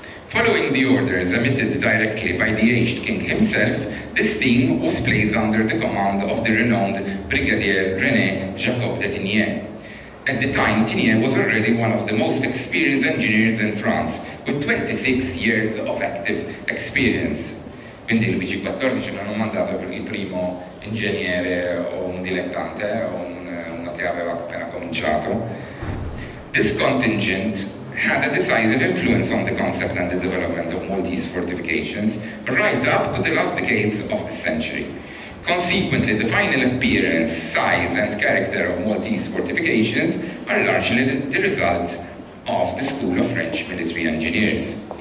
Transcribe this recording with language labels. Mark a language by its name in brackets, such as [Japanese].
[English] Following the orders emitted directly by the aged king himself, this team was placed under the command of the renowned Brigadier René Jacob de Tignier. At the time, Tignier was already one of the most experienced engineers in France, with 26 years of active experience. [Italian] Quindi Luigi XIV non ha mandato per il primo ingegnere o un dilettante o uno che aveva appena cominciato. [English] This contingent had a decisive influence on the concept and the development of Maltese fortifications right up to the last decades of the century. Consequently, the final appearance, size and character of Maltese fortifications are largely the result of the school of French military engineers.